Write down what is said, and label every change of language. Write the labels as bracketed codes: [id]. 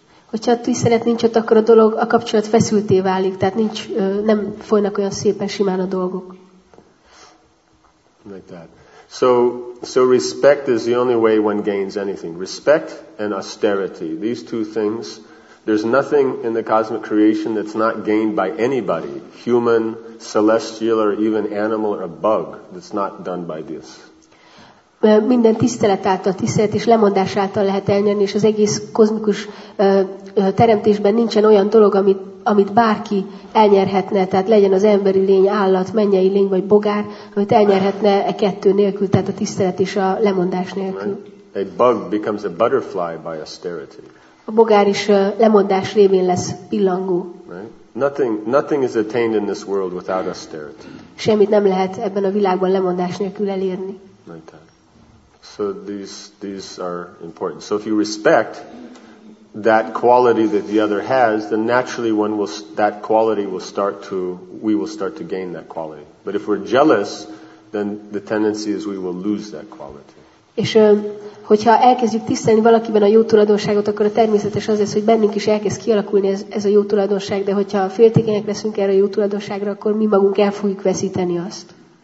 [hu] Hogyha tisztelet nincs ott, akkor a dolog, a kapcsolat feszülté válik, tehát nincs, nem folynak olyan szépen, simán a dolgok. [en] Like that. So respect is the only way one gains anything. Respect and austerity. These two things. There's nothing in the cosmic creation that's not gained by anybody, human, celestial, or even animal or bug, that's not done by this. [hu] Minden tisztelet által, tisztelet és lemondás által lehet elnyerni, és az egész kozmikus teremtésben nincsen olyan dolog, amit, amit bárki elnyerhetne, tehát legyen az emberi lény, állat, mennyei lény vagy bogár, amit elnyerhetne e kettő nélkül, tehát a tisztelet és a lemondás nélkül. [en] A bug becomes a butterfly by austerity. [hu] A bogár is lemondás révén lesz pillangó. [en] Nothing is attained in this world without austerity. [hu] Semmit nem lehet ebben a világban lemondás nélkül elérni. [en] So these are important. So if you respect that quality that the other has, then naturally we will start to gain that quality. But if we're jealous, then the tendency is we will lose that quality. [hu] És hogyha elkezdjük tisztelni valakiben a jó tulajdonságot, akkor a természetes az lesz, hogy bennünk is elkezd kialakulni ez a jó tulajdonság, de hogyha féltékenyek leszünk erre a jó tulajdonságra, akkor mi magunk el fogjuk veszíteni azt.